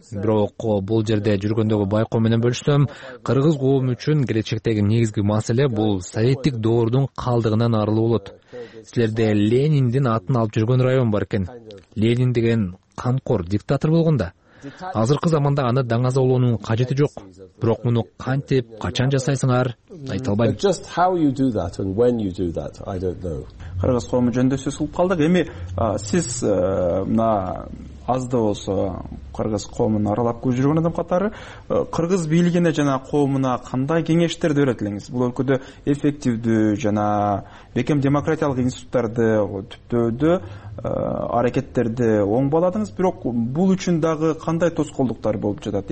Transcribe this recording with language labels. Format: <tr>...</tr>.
<ky>Бирок бул жерде жүргөндөгү байкоо менен бөлүшсөм, кыргыз коому үчүн келечектеги негизги маселе бул советтик доордун калдыгынан арылуу болот. Силерде Лениндин атын алып жүргөн район бар экен. Ленин деген камкор диктатор болгонда азыркы заманда аны даңазалоонун кажети жок. Бирок муну кантип, качан жасайсыңар, айта албайм.</ky> <en>Just how you do that and when you do that, I don't know.</en> <ky>Кыргыз коому жөнүндө сөз кылып калдык. Эми сиз мына аз да болсо кыргыз коомун аралап көрүп жүргөн адам катары кыргыз бийлигине жана коомуна кандай кеңештерди берет элеңиз? Бул өлкөдө эффективдүү жана бекем демократиялык институттарды түптөөдө аракеттерди оң бааладыңыз, бирок бул үчүн дагы кандай тоскоолдуктар болуп жатат?</ky>